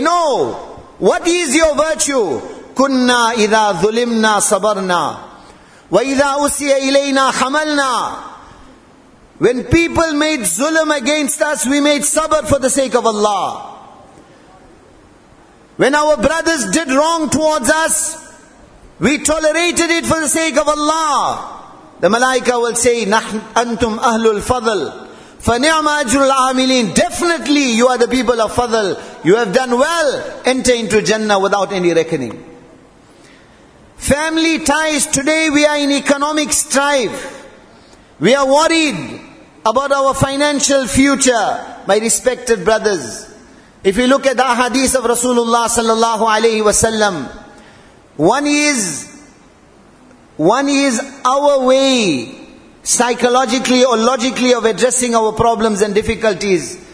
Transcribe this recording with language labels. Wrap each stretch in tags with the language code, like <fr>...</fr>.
<en>No! What is your virtue?</en> <ar>كُنَّا إِذَا ظُلِمْنَا صَبَرْنَا وَإِذَا أُسِيَ إِلَيْنَا حَمَلْنَا.</ar> <en>When people made zulm against us, we made sabr for the sake of Allah. When our brothers did wrong towards us, we tolerated it for the sake of Allah. The Malaika will say,</en> <ar>أَنْتُمْ أَهْلُ الْفَضْلِ فَنِعْمَ أَجْرُ الْعَامِلِينَ.</ar> <en>Definitely you are the people of fadl. You have done well. Enter into Jannah without any reckoning. Family ties. Today we are in economic strife. We are worried about our financial future. My respected brothers, if you look at the ahadith of Rasulullah sallallahu alayhi wasallam, one is our way psychologically or logically of addressing our problems and difficulties.</en>